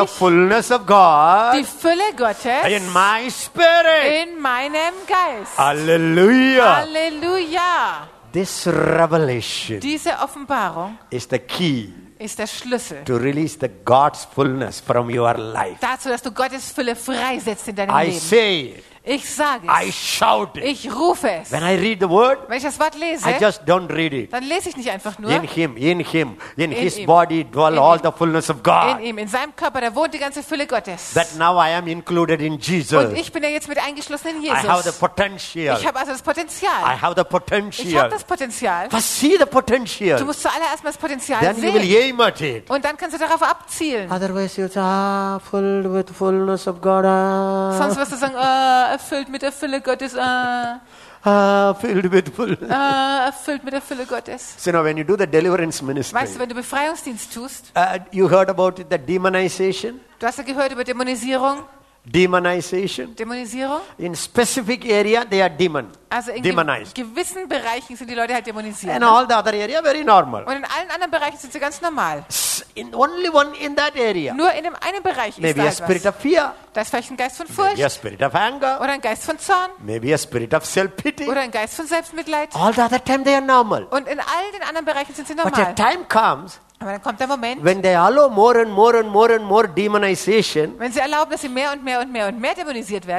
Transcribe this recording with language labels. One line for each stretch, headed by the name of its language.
English: The fullness of God.
German: Die Fülle Gottes.
English: In my spirit.
German: In meinem Geist. Halleluja. Halleluja.
English: This revelation.
German: Diese Offenbarung.
English: Is the key.
German: Ist der Schlüssel.
English: To release the God's fullness from your life.
German: Dazu, dass du Gottes Fülle freisetzt in deinem
English: I
German: Leben.
English: I say.
German: Ich sage es.
English: I shout it.
German: Ich rufe es.
English: When I read the word,
German: wenn ich das Wort lese,
English: I just don't read it.
German: Dann lese ich nicht einfach nur.
English: In his ihm. Body dwell in all ihm. The fullness of God.
German: In ihm, in seinem Körper, da wohnt die ganze Fülle Gottes.
English: That now I am included in Jesus.
German: Und ich bin ja jetzt mit eingeschlossen in Jesus.
English: I have the potential.
German: Ich habe also das Potenzial.
English: I have the potential.
German: Ich habe das Potenzial.
English: But see the potential.
German: Du musst zuallererst mal das Potenzial
English: Then
German: sehen.
English: You will aim at it.
German: Und dann kannst du darauf abzielen.
English: Otherwise you'll say, filled with fullness of God.
German: Sonst wirst du sagen, erfüllt mit der Fülle Gottes. Erfüllt mit der Fülle Gottes.
English: So now when you do the deliverance ministry,
German: weißt du, wenn du Befreiungsdienst tust,
English: you heard about the demonization?
German: Du hast ja gehört über Dämonisierung.
English: Demonization.
German: Demonisierung.
English: In specific area they are demon.
German: Also in
English: demonized.
German: Gewissen Bereichen sind die Leute halt demonisiert.
English: And all the other area very normal.
German: Und in allen anderen Bereichen sind sie ganz normal.
English: In only one in that area.
German: Nur in dem einen Bereich ist
English: maybe
German: da
English: a spirit
German: etwas.
English: Of fear.
German: Das ist vielleicht ein Geist von Furcht.
English: Maybe a spirit of anger.
German: Oder ein Geist von Zorn.
English: Maybe a spirit of self-pity.
German: Oder ein Geist von Selbstmitleid.
English: All the other time they are normal.
German: Und in all den anderen Bereichen sind sie normal.
English: But the time comes.
German: Aber dann kommt der Moment,
English: when they allow more and more and more and more demonization,
German: wenn sie erlauben, dass sie mehr und mehr und mehr und mehr demonisiert werden,